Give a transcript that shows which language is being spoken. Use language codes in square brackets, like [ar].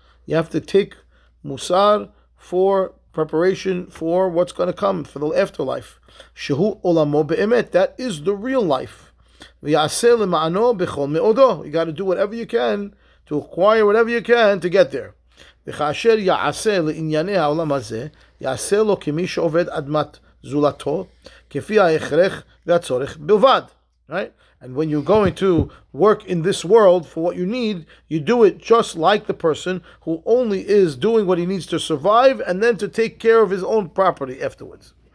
[en] You have to take musar for preparation for what's going to come, for the afterlife. [he] Shehu olamo be'emet. [en] That is the real life. [he] V'yaseh lema'ano b'chol me'odo. [en] You got to do whatever you can to acquire whatever you can to get there. [he] וכאשר יעשה לענייני העולם הזה, יעשה לו כמי שעובד אדמת זולתו, כפי ההכרח והצורך בלבד. [en] Right? And when you're going to work in this world for what you need, you do it just like the person who only is doing what he needs to survive and then to take care of his own property afterwards.